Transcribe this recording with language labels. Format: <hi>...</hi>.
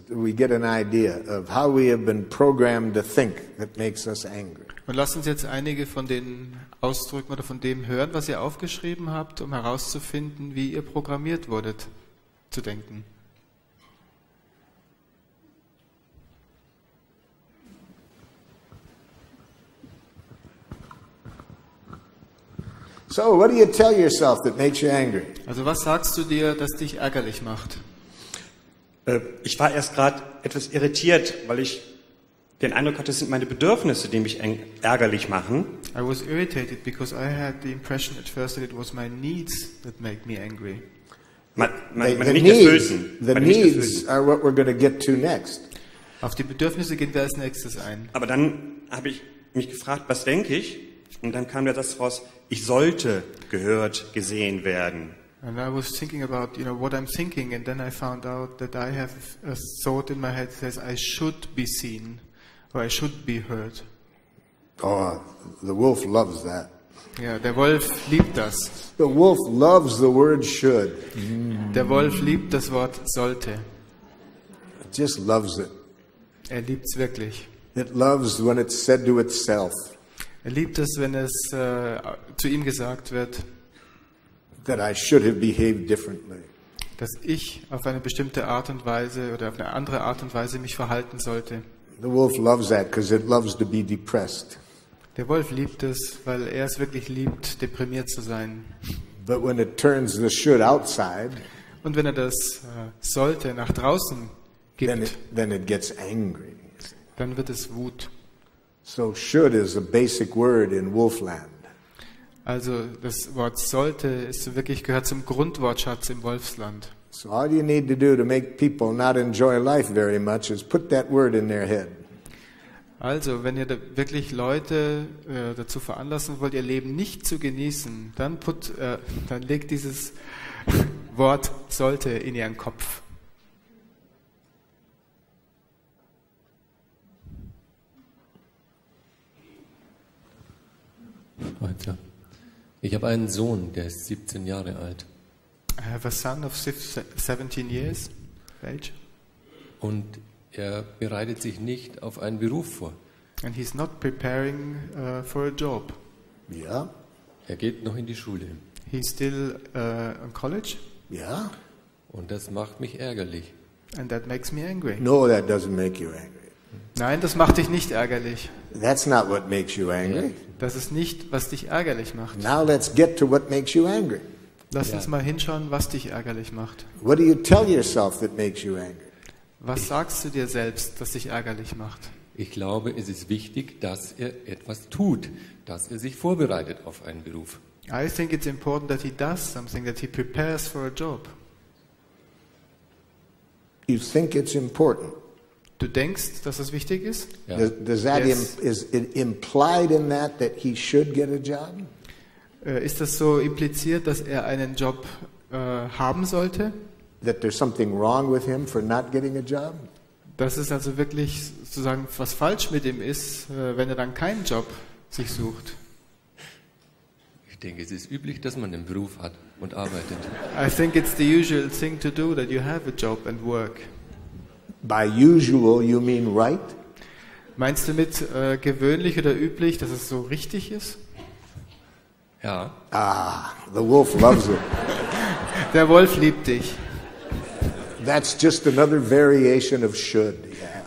<en>We get an idea of how we have been programmed to think that makes us angry.</en> <de>Und lasst uns jetzt einige von den Ausdrücken oder von dem hören, was ihr aufgeschrieben habt, um herauszufinden, wie ihr programmiert wurdet zu denken.</de> <en>So, what do you tell yourself that makes you angry?</en> <de>Also, was sagst du dir, das dich ärgerlich macht? Ich war erst gerade etwas irritiert, weil ich den Eindruck hatte, es sind meine Bedürfnisse, die mich ärgerlich machen.</de> <en>I was irritated because I had the impression at first that it was my needs that make me angry. The needs are what we're going to get to next.</en> <de>Auf die Bedürfnisse gehen wir als nächstes ein. Aber dann habe ich mich gefragt, was denke ich? Und dann kam mir das raus, ich sollte gehört, gesehen werden.</de> <en>And I was thinking about, you know, what I'm thinking, and then I found out that I have a thought in my head that says, I should be seen, or I should be heard. Oh, the wolf loves that.</en> <de>Yeah, der Wolf liebt das.</de> <en>The wolf loves the word should.</en> <de>Der Wolf liebt das Wort sollte.</de> <en>It just loves it.</en> <de>Er liebt's wirklich.</de> <en>It loves when it's said to itself.</en> <de>Er liebt es, wenn es zu ihm gesagt wird,</de> <en>that I should have behaved differently.</en> <de>Dass ich auf eine bestimmte Art und Weise oder auf eine andere Art und Weise mich verhalten sollte.</de> <en>The wolf loves that because it loves to be depressed.</en> <de>Der Wolf liebt es, weil er es wirklich liebt, deprimiert zu sein.</de> <en>But when it turns the should outside,</en> <de>und wenn er das sollte nach draußen gibt,</de> <en>then it gets angry.</en> <de>Dann wird es Wut.</de> <en>So should is a basic word in Wolfland.</en> <de>Also das Wort sollte ist wirklich gehört zum Grundwortschatz im Wolfsland.</de> <en>So all you need to do to make people not enjoy life very much is put that word in their head.</en> <de>Also, wenn ihr da wirklich Leute dazu veranlassen wollt, ihr Leben nicht zu genießen, dann legt dieses Wort sollte in ihren Kopf. Weiter. Ich habe einen Sohn, der ist 17 Jahre alt.</de> <en>I have a son of 17 years of age.</en> <de>Und er bereitet sich nicht auf einen Beruf vor.</de> <en>And he's not preparing for a job.</en> <de>Ja. Er geht noch in die Schule.</de> <en>He's still in college.</en> <de>Ja. Und das macht mich ärgerlich.</de> <en>And that makes me angry. No, that doesn't make you angry.</en> <de>Nein, das macht dich nicht ärgerlich.</de> <en>That's not what makes you angry.</en> <de>Das ist nicht, was dich ärgerlich macht.</de> <en>Now let's get to what makes you angry.</en> <de>Lass uns mal hinschauen, was dich ärgerlich macht.</de> <en>What do you tell yourself that makes you angry?</en> <de>Was sagst du dir selbst, das dich ärgerlich macht? Ich glaube, es ist wichtig, dass er etwas tut, dass er sich vorbereitet auf einen Beruf.</de> <en>I think it's important that he does something, that he prepares for a job. You think it's important?</en> <de>Du denkst, dass es wichtig ist? Ja.</de> <en>Is it implied in that that he should get a job?</en> <de>Ist das so impliziert, dass er einen Job haben sollte?</de> <en>That there's something wrong with him for not getting a job?</en> <de>Dass es also wirklich sozusagen was falsch mit ihm ist, wenn er dann keinen Job sich sucht? Ich denke, es ist üblich, dass man einen Beruf hat und arbeitet.</de> <en>I think it's the usual thing to do that you have a job and work. By usual, you mean right?</en> <de>Meinst du mit gewöhnlich oder üblich, dass es so richtig ist? Ja.</de> <en>Ah, the wolf loves it.</en> <de>Der Wolf liebt dich.</de> <en>That's just another variation of should. Yeah.</en>